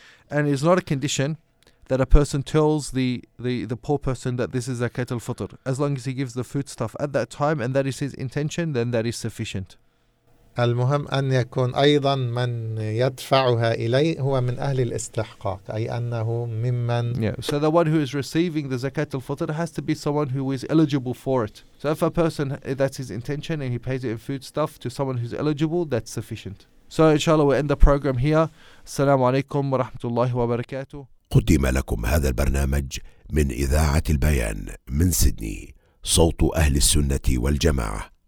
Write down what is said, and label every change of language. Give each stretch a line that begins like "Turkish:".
English: And it's not a condition that a person tells the poor person that this is zakat al-fitr. As long as he gives the foodstuff at that time and that is his intention, then that is sufficient.
Arabic: المهم أن يكون أيضا من يدفعها إليه هو من أهل الاستحقاق، أي أنه ممن
English: So the one who is receiving the zakat al-fitr has to be someone who is eligible for it. So if a person, that's his intention and he pays it in food stuff to someone who's eligible, that's sufficient. So inshallah we end the program here.
Arabic: السلام عليكم ورحمة الله وبركاته. قدم لكم هذا البرنامج من إذاعة البيان من سيدني، صوت أهل السنة والجماعة.